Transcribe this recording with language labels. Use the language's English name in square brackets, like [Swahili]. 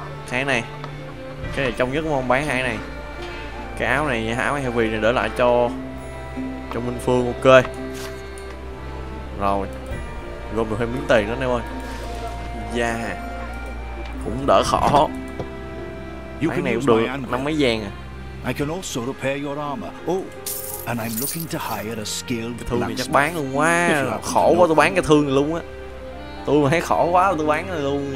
[Vietnamese] Cái này trông nhất mong bán hai này. Cái áo này, áo heavy này để lại cho Minh Phương. Ok. Rồi. Gom được thêm miếng tiền nữa anh em ơi. Dạ. Cũng đỡ khổ. Bán này cũng được 5 mấy vàng à. [English] I can also repair your armor. Oh, and I'm looking to hire a skilled blacksmith. [Vietnamese] Thương chắc bán luôn quá. Khổ quá tôi bán cái thương luôn á. Tôi mà thấy khổ quá tôi bán luôn.